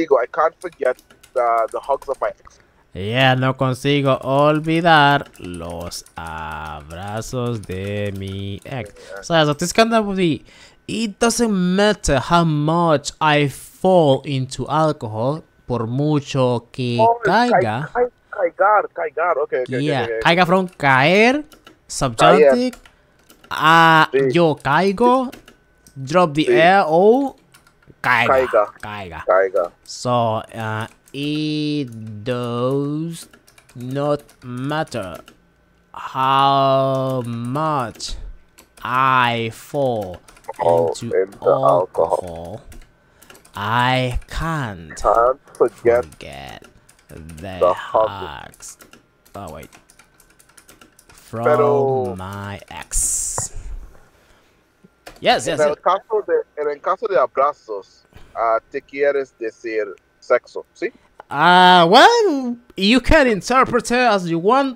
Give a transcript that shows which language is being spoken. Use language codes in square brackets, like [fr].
[en] I can't forget the hugs of my ex. [es] Yeah, no consigo olvidar los abrazos de mi ex. [en] Yeah. So this kind of movie, it doesn't matter how much I fall into alcohol, por mucho que caiga. Caigar, okay. Caiga from caer, subjunctive. Sí. Yo caigo, drop the air, oh, caiga. So, it does not matter how much I fall into alcohol. I can't forget the hugs. Oh, wait. My ex. Yes. [es] En el caso de abrazos, te quieres decir sexo, ¿sí? [en] Well, you can interpret it as you want.